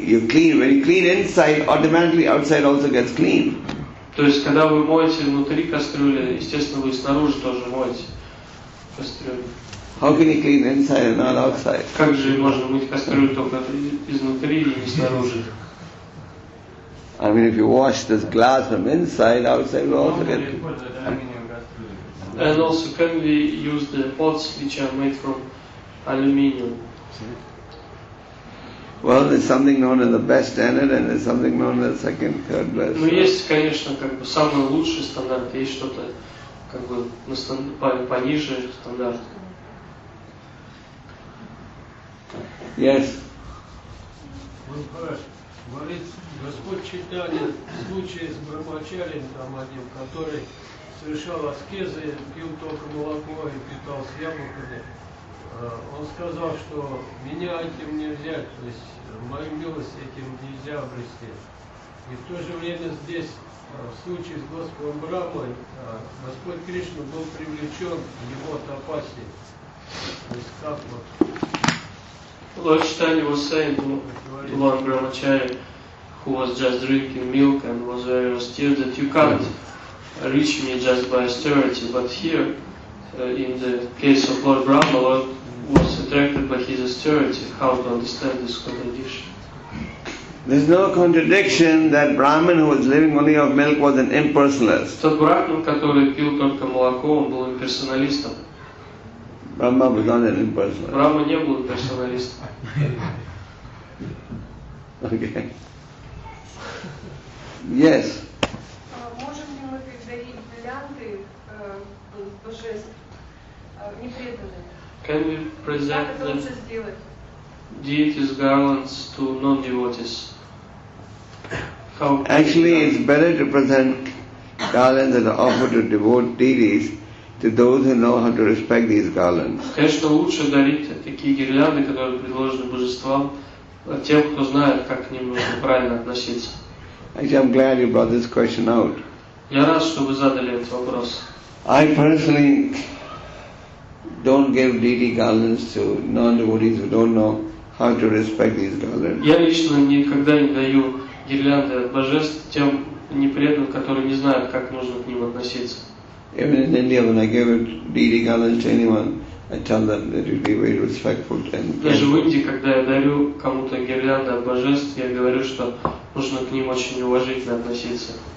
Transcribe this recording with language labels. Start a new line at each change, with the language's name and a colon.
English: You clean when you clean inside, automatically outside also gets clean.
Russian: То есть когда вы моете внутри кастрюли, естественно вы снаружи тоже моете кастрюлю.
English: How can you clean inside and not outside?
Russian: Как же можно мыть кастрюлю только изнутри и не снаружи?
English: I mean, if you wash this glass from inside, outside will also get clean. And also, can we use the pots which are made from aluminium? Well, there's something known as the best standard, and there's something known as second, third best.
Russian: Ну есть, конечно, как бы самый лучший стандарт, есть что-то как бы пониже стандарт.
English: Yes.
Russian: Махарадж говорит, Господь Чайтанья в случае с брахмачарием там одним, который совершал аскезы, пил только молоко и питался яблоками, он сказал, что меня этим не взять, то есть мою милость этим нельзя обрести. И в то же время здесь, в случае с Господом Брахмой, Господь Кришна был привлечен в его тапасе. То есть как вот...
English: Lord Chaitanya was saying to one brahmachari who was just drinking milk and was very austere that you can't reach me just by austerity. But here, in the case of Lord Brahma, Lord was attracted by his austerity. How to understand this contradiction? There's no contradiction that Brahman who was living only of milk was an impersonalist.
Russian: Тот брахман, который пил только молоко, он был имперсоналистом.
English: Brahma was not an impersonalist.
Russian: Brahma не был имперсоналистом.
English: Okay. Yes.
Russian: Можем ли мы передарить бриллианты божеств непреданным?
English: Can we present the deities garlands to non-devotees? Actually, it's better to present garlands that are offered to devote deities to those who know how to respect these garlands.
Russian: Конечно, лучше дарить такие гирлянды, которые предложены божествам, тем, кто знает, как к ним нужно правильно относиться.
English: Actually, I'm glad you brought this question out.
Russian: Я рад, что вы задали этот вопрос.
English: I personally don't give deity garlands to non-devotees who don't know how to respect these garlands.
Russian: Я лично никогда не даю гирлянды от божеств тем непреданным, которые не знают, как нужно к ним относиться.
English: Even in India, when I give a deity garland to anyone, I tell them that it would be very respectful to them.
Russian: Даже в Индии, когда я дарю кому-то гирлянды от божеств, я говорю, что нужно к ним очень уважительно относиться.